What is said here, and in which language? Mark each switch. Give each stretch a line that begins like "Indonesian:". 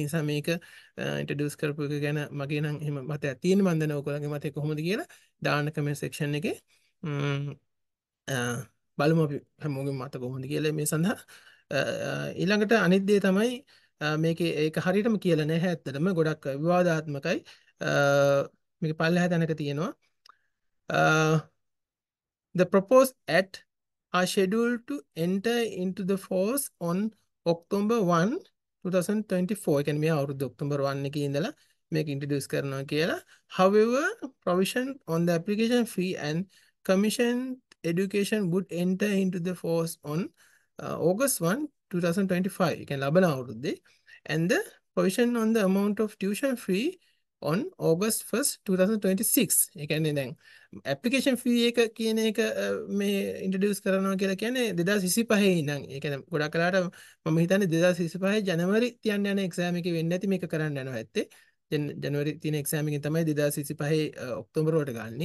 Sinhala: ඒ නිසා මේක ඉන්ට්‍රඩියුස් කරපු එක ගැන මගේ නම් එහෙම මතයක් තියෙන, මන් දන්නේ ඔයගොල්ලන්ගේ මතය කොහොමද කියලා දාන්න කමෙන්ට් සෙක්ෂන් එකේ. බලමු අපි හැමෝගේම මත කොහොමද කියලා මේ සඳහා. ඊළඟට අනිත් දේ තමයි මේකේ ඒක හරියටම කියලා නැහැ, ඇත්තටම ගොඩක් විවාදාත්මකයි මේක පල්ලෙහා තැනක තියෙනවා.
English: The propose at are scheduled to enter into the force on October 1, 2024.
Sinhala: ඒ කියන්නේ මේ අවුරුදු ඔක්තෝබර් 1 එකේ ඉඳලා මේක ඉන්ට්‍රඩියුස් කරනවා කියලා.
English: However, provision on the application fee and commission education would enter into the force on August 1, 2025.
Sinhala: ඒ කියන්නේ ලබන අවුරුද්දේ.
English: And the provision on the amount of tuition fee on August 1, 2026.
Sinhala: ඒ කියන්නේ දැන් ඇපලිකේෂන් ෆී එක කියන එක මේ ඉන්ට්‍රඩියස් කරනවා කියලා කියන්නේ 2025 ඉඳන්. ඒ කියන්නේ ගොඩක් කලකට මම හිතන්නේ 2025 ජනවරි තියන්න යන එක්සෑම් එකේ වෙන්නේ නැති මේක කරන්න යනවා ඇත්තේ. ජනවරි තියෙන එක්සෑම් එකෙන් තමයි 2025 ඔක්තෝබර් වලට ගන්න.